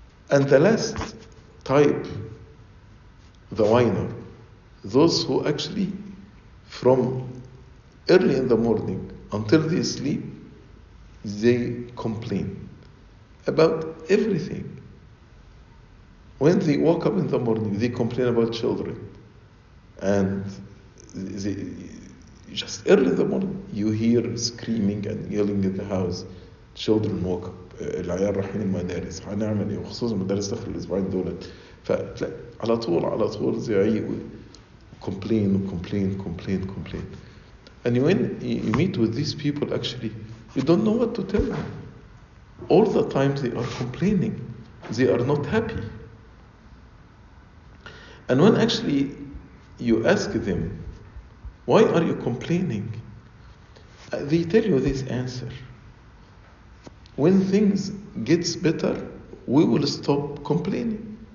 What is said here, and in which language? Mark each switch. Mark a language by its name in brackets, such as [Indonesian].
[English] And the last type, the whiner, those who actually from early in the morning until they sleep, they complain about everything. When they woke up in the morning, they complain about children. And they, just early in the morning, you hear screaming and yelling in the house. Children woke up. [Arabic] العيال رايحين المدارس هنعمل ايه وخصوصا المدارس داخل الاسبوعين دول فعلى طول على طول زي [English] complain complain complain complain. And when you meet with these people actually you don't know what to tell them. All the time they are complaining, they are not happy. And when actually you ask them why are you complaining, they tell you this answer: when things gets better, we will stop complaining.